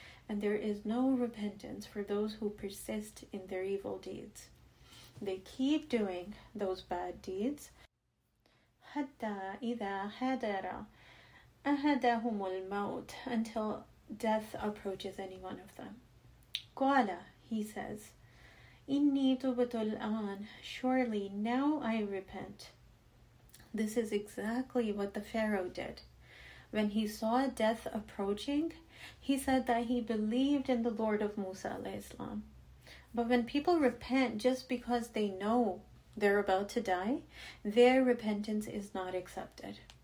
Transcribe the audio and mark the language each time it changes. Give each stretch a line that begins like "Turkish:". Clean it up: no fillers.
English: And there is no repentance for those who persist in their evil deeds. They keep doing those bad deeds.
Arabic: حَتَّى إِذَا حَدَرَ أَحَدَهُمُ الْمَوْتِ.
English: Until death approaches any one of them.
Arabic: قَالَ.
English: He says,
Arabic: إِنِّي تُبْتُ الْآنِ.
English: Surely now I repent. This is exactly what the Pharaoh did. When he saw death approaching, he said that he believed in the Lord of Musa alayhi salam. But when people repent just because they know they're about to die, their repentance is not accepted.